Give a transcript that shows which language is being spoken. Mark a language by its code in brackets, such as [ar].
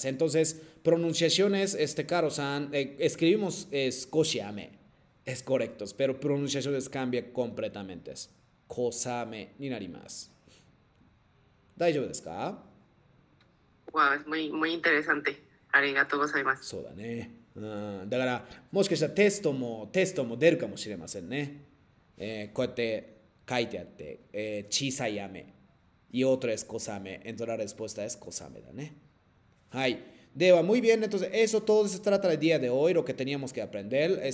[es] Entonces, pronunciaciones, Karo-san, escribimos skoshi-ame, es correcto, pero pronunciaciones cambia completamente. [ja] Kosame, ninarimasu. ¿Daijoubu desu ka? [es] Wow, es muy muy interesante. [ja] Arigatou gozaimasu. だから、もしかしたらテストも出るかもしれませんね。こうやって書いてあって、小さい雨。 [es] Y otra es cosame. Entonces la respuesta es cosame, ¿no? Ay, Deva, muy bien. Entonces eso todo se trata del día de hoy, lo que teníamos que aprender.